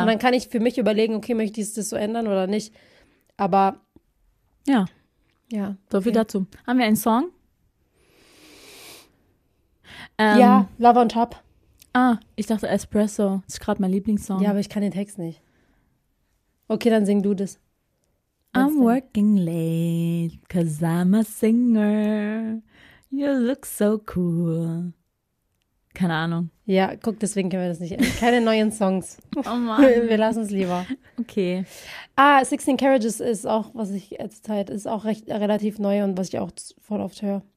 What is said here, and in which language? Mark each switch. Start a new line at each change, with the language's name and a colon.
German: Und dann kann ich für mich überlegen, okay, möchte ich das so ändern oder nicht? Aber ja. Ja. So viel dazu. Haben wir einen Song? Ja, Love on Top. Ah, ich dachte Espresso. Das ist gerade mein Lieblingssong. Ja, aber ich kann den Text nicht. Okay, dann sing du das.
English: I'm working late, 'cause I'm a singer. You look so cool.
German: Keine Ahnung. Ja, guck, deswegen können wir das nicht. Keine neuen Songs. Oh Mann. Wir lassen es lieber. Okay. Ah, 16 Carriages ist auch, was ich jetzt halt, ist auch recht relativ neu und was ich auch voll oft höre.